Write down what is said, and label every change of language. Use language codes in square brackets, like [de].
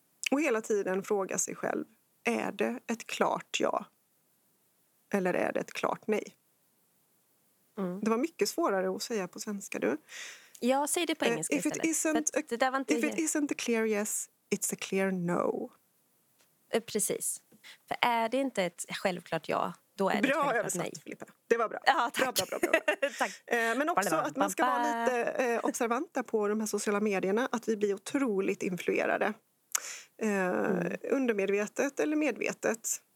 [sv] Och hela tiden fråga sig själv, är det ett klart ja? Eller är det ett klart nej? Mm. Det var mycket svårare att säga på svenska, du. Jag säger det på engelska istället. [en] If it isn't a clear yes, it's a clear no. [sv] Precis. För är det inte ett självklart ja, då är det bra ett självklart nej. Filippa. Det var bra. Ja, tack. Bra. Tack. Men också att man ska vara lite observanta på de här sociala medierna. Att vi blir otroligt influerade. Undermedvetet eller medvetet.